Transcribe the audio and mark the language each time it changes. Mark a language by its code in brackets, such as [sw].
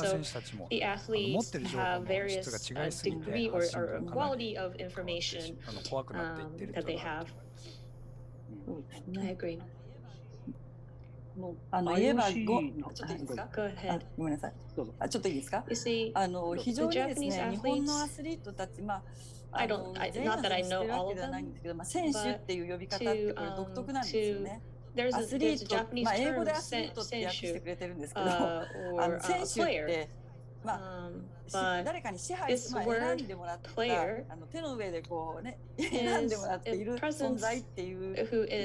[ja] だから選手たちも持ってる情報の質が違いすぎて、発信がかなり怖くなっていってるというのがあると思います。 [en] うん、I agree. [ja] 言えば、ちょっといいですか？あ、ごめんなさい。あ、ちょっといいですか？あの、非常にですね、日本のアスリートたち、まあ、 [en] I don't, not that I know all of them, [ja] まあ、選手っていう呼び方ってこれ独特なんですよね。アスリート、まあ、英語でアスリートって訳してくれてるんですけど、あの、選手って、まあ、誰かに支配して、まあ、選んでもらった、あの、手の上でこうね、選んでもらっている存在っていう、